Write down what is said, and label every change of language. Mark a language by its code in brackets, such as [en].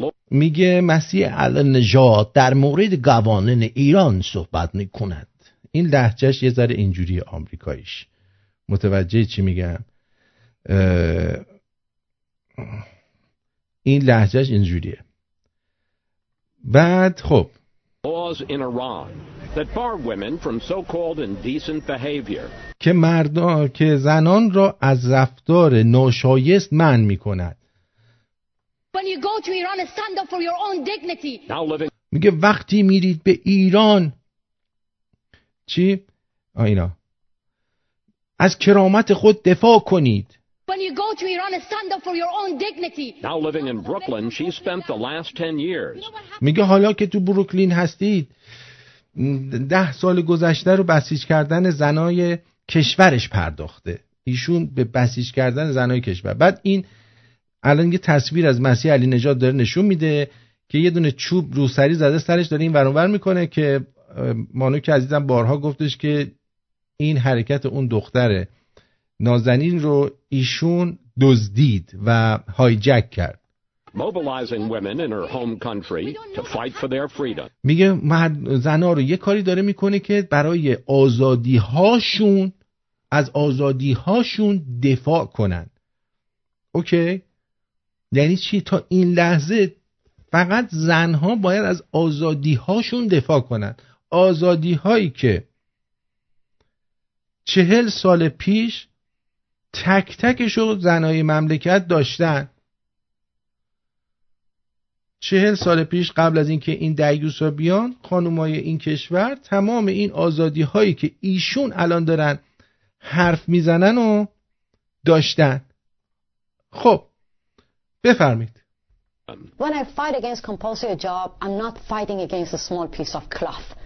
[fa] میگه مسیح الینا جاد در مورد قوانین ایران صحبت میکند. این لهجهش یه ذره اینجوری آمریکاییش. متوجه چی میگم؟ این لهجهش اینجوریه. بعد خب [en] laws in Iran that bar women from so-called indecent behavior [fa] که مردان که زنان را از رفتار ناشایست منع میکند. [en] When you go to Iran and stand up for your own dignity. [fa] میگه وقتی میرید به ایران چی؟ اینا از کرامت خود دفاع کنید. [en] When you go to Iran and stand up for your own dignity. Now living in Brooklyn, she spent the last 10 years. [fa] میگه حالا که تو بروکلین هستید 10 سال گذشته رو بسیج کردن زنای کشورش پرداخته. ایشون به بسیج کردن زنای کشور. بعد این الان یه تصویر از مسیح علی نژاد داره نشون میده که یه دونه چوب روسری زده سرش داره این ور اونور میکنه که مانو که عزیزم بارها گفتش که این حرکت اون دختره نازنین رو ایشون دزدید و هایجک کرد. [en] Mobilizing women in her home country to fight for their freedom. [fa] میگه مرد زنا رو یه کاری داره میکنه که برای آزادی هاشون از آزادی هاشون دفاع کنن. اوکی؟ یعنی چی؟ تا این لحظه فقط زنها باید از آزادی هاشون دفاع کنن. آزادی هایی که 40 سال پیش تک تکشو زنهای مملکت داشتن. 40 سال پیش قبل از اینکه این دیگوسا بیان خانومای این کشور تمام این آزادی هایی که ایشون الان دارن حرف میزنن و داشتن. خب بفرمید. [en] When I fight against compulsory job, I'm not fighting against a small piece of cloth.